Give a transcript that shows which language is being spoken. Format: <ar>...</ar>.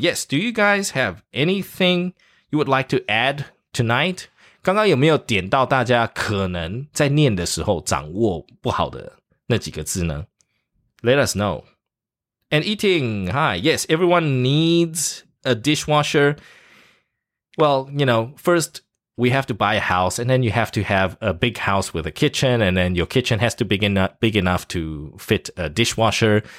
<en>Yes, do you guys have anything you would like to add tonight?</en> <zh>刚刚有没有点到大家可能在念的时候掌握不好的那几个字呢？</zh> <en>Let us know. And eating, hi. Yes, everyone needs... A dishwasher, well, you know, first we have to buy a house and then you have to have a big house with a kitchen and then your kitchen has to be big enough to fit a dishwasher.</en>